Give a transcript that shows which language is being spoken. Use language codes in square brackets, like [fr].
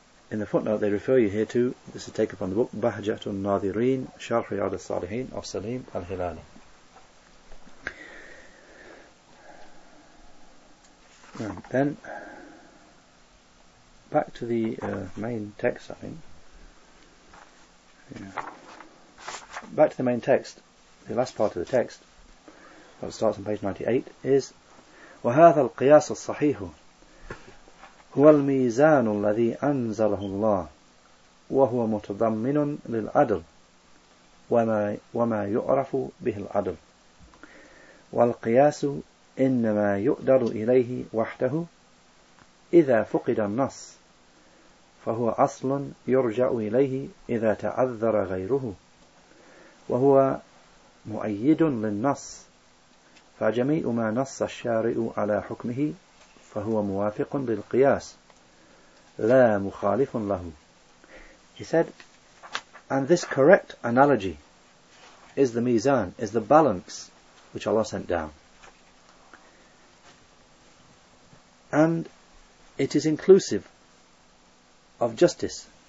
[en] In the footnote, they refer you here to, this is taken from the book, Bahjatun Nadhirin, Sharh Riyad al-Salihin of Salim al-Hilali. And then, back to the main text, I think. Yeah. Back to the main text, the last part of the text, that starts on page 98, is [ar] وهذا القياس الصحيح هو الميزان الذي أنزله الله وهو متضمن للعدل وما يعرف به العدل والقياس إنما يقدر إليه وحده إذا فقد النص فهو أصل يرجع إليه إذا تعذر غيره وهو مؤيد للنص فجميع ما نص الشارع على حكمه فهو موافق للقياس لا مخالف له. [en] He said, and this correct analogy is the mizan, is the balance which Allah sent down. And it is inclusive of justice.